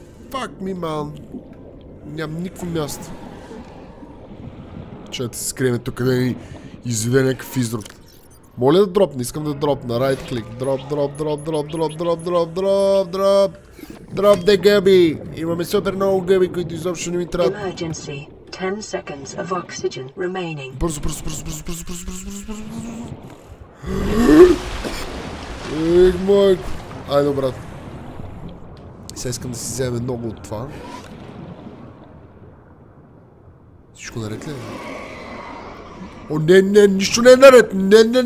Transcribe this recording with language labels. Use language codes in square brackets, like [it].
[en] Fuck me, man. [bg] Нямам никакво място. Чакайте се скриеме тук, къде ни изведе някакъв изрод. Моля да дропна, искам да дропна. [en] Right click. Дроп. [bg] Дроп де гъби. Имаме супер много гъби, които изобщо не ми трябва. [en] 10 seconds of oxygen remaining. [bg] Айде, брат. Сега искам да си вземе много от това. Всичко наред ли? О, не, не, нищо не е наред! Не.